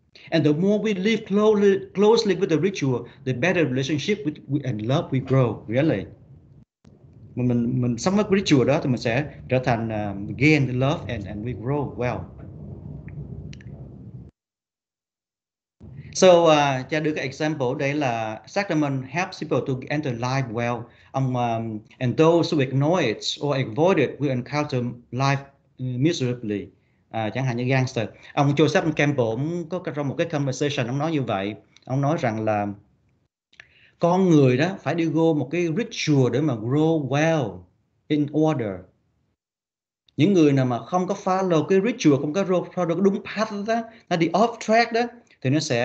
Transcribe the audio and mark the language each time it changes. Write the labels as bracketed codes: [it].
[en] And the more we live closely with the ritual, the better relationship and love we grow, really. [vi] Mình sống với ritual đó thì mình sẽ trở thành [en] gain the love and we grow well. So, [vi] cho đưa cái [en] example [vi] đây là [en] sacrament helps people to enter life well. And those who ignore it or avoid it will encounter life miserably. [vi] Chẳng hạn như gangster. Ông Joseph Campbell có trong một cái conversation, ông nói như vậy. Ông nói rằng là con người đó phải đi go một cái ritual để mà [en] grow well in order. [vi] Những người nào mà không có follow cái ritual, không có follow được đúng path đó, nó đi off track đó, thì nó